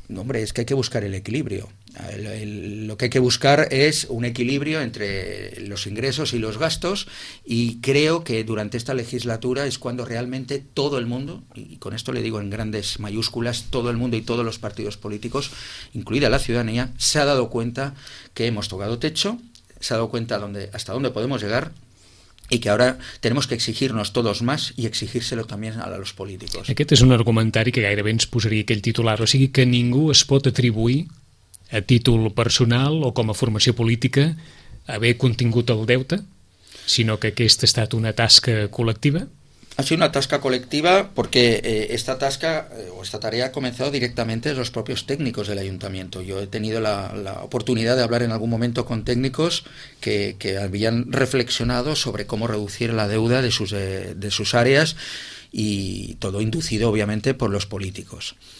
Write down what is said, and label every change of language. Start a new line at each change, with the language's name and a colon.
Spanish: Hombre, es que hay que buscar el equilibrio. Lo que hay que buscar es un equilibrio entre los ingresos y los gastos, y creo que durante esta legislatura es cuando realmente todo el mundo, y con esto le digo en grandes mayúsculas, todo el mundo y todos los partidos políticos, incluida la ciudadanía, se ha dado cuenta que hemos tocado techo, se ha dado cuenta hasta dónde podemos llegar, y que ahora tenemos que exigirnos todos más y exigírselo también a los políticos.
Catalan: Aquest és un argumentari que gairebé ens posaria aquell titular, o sigui que ningú es pot atribuir a títol personal o com a formació política haver contingut el deute, sinó que aquesta ha estat una tasca col·lectiva?
Spanish: Ha sido una tasca colectiva porque esta tasca o esta tarea ha comenzado directamente de los propios técnicos del ayuntamiento. Yo he tenido la oportunidad de hablar en algún momento con técnicos que habían reflexionado sobre cómo reducir la deuda de sus áreas, y todo inducido obviamente por los políticos.